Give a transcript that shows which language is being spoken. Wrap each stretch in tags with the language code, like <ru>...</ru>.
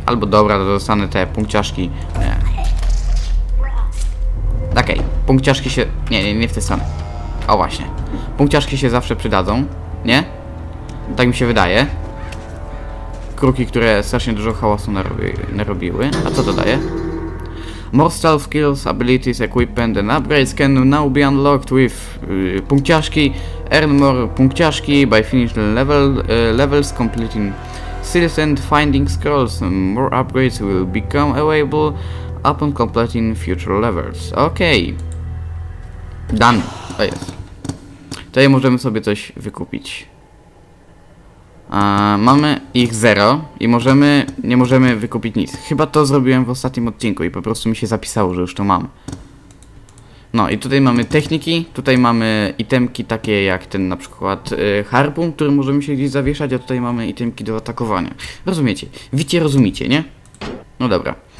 <pl>Albo dobra, to dostanę te punkciaszki. Okej, okay. Punkciaszki się... Nie w tej stronę. O, właśnie. Punkciaszki się zawsze przydadzą, nie? Tak mi się wydaje. Kruki, które strasznie dużo hałasu narobiły. A co to daje?</pl> <en>More stealth skills, abilities, equipment and upgrades can now be unlocked with punkciaszki. Earn more punkciaszki by finishing level, levels, completing seals and finding scrolls. More upgrades will become available upon completing future levels.</en> <pl>Okej.</pl> <en>Okay. Done.</en> <pl>To jest. Tutaj możemy sobie coś wykupić. Mamy ich zero i możemy, nie możemy wykupić nic. Chyba to zrobiłem w ostatnim odcinku i po prostu mi się zapisało, że już to mam. No i tutaj mamy techniki, tutaj mamy itemki takie jak ten na przykład harpun, który możemy się gdzieś zawieszać, a tutaj mamy itemki do atakowania. Rozumiecie? Widzicie, rozumicie, nie? No dobra.</pl>